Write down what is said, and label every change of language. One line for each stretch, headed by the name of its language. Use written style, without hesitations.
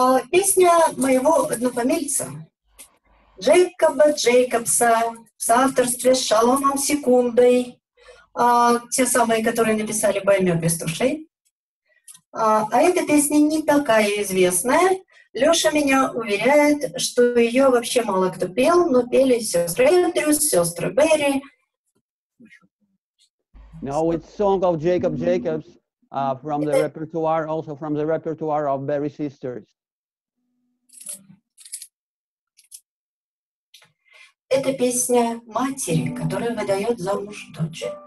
Russian: Песня моего однофамильца. Джейкоба Джейкобса в соавторстве с Шаломом Секундой. Те самые, которые написали «Боймё без тушей». А эта песня не такая известная. Лёша меня уверяет, что её вообще мало кто пел, но пели сёстры Эндрюс, сёстры Берри.
English: Now it's song of Jacob Jacobs from the repertoire, also from the repertoire of Berry Sisters.
Russian: Это песня матери, которая выдаёт замуж дочь.